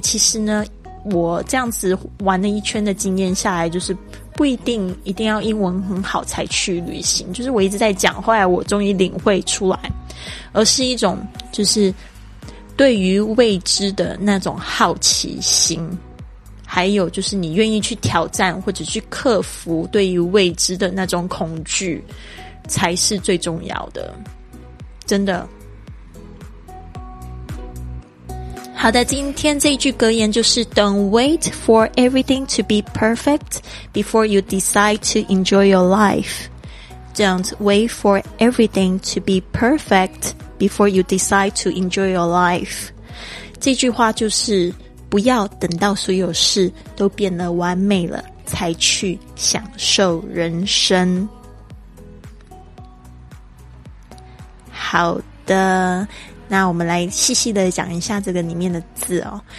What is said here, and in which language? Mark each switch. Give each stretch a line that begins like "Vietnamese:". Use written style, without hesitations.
Chinese: 其实呢，我这样子玩了一圈的经验下来，就是不一定一定要英文很好才去旅行，就是我一直在讲，后来我终于领会出来，而是一种就是对于未知的那种好奇心，还有就是你愿意去挑战或者去克服对于未知的那种恐惧才是最重要的，真的。好的，今天这一句格言就是
English: Don't wait for everything to be perfect before you decide to enjoy your life. Don't wait for everything to be perfect before you decide to enjoy your life.
Chinese: 这句话就是不要等到所有事都变得完美了才去享受人生。好的，那我们来细细的讲一下这个里面的字哦。